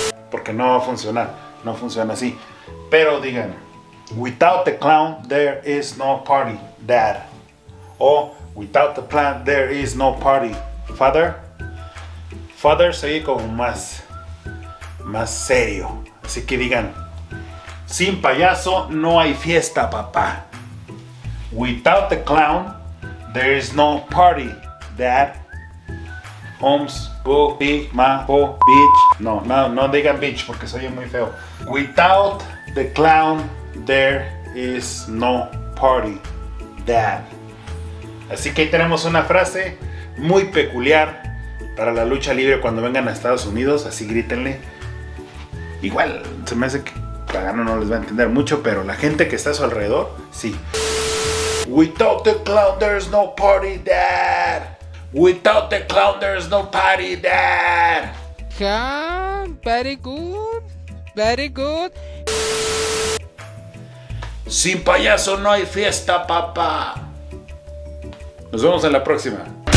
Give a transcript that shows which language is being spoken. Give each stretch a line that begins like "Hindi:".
Spanish: Porque no va a funcionar. No funciona así. Pero digan,
English: without the clown, there is no party. Dad. O without the clown, there is no party. Father.
Spanish: Father se oye como más, más serio. Así que digan, sin payaso no hay fiesta, papá.
English: Without the clown, there is no party, dad. Homes, boo, big, ma, po, bitch.
Spanish: No, no, no digan bitch porque soy muy feo.
English: Without the clown, there is no party, dad.
Spanish: Así que ahí tenemos una frase muy peculiar para la lucha libre cuando vengan a Estados Unidos. Así grítenle. Igual, se me hace que Pagano no les va a entender mucho, pero la gente que está a su alrededor, sí.
English: Without the clown, there's no party, dad. Without the clown, there's no party, dad. Yeah, very good, very good.
Spanish: Sin payaso no hay fiesta, papá. Nos vemos en la próxima.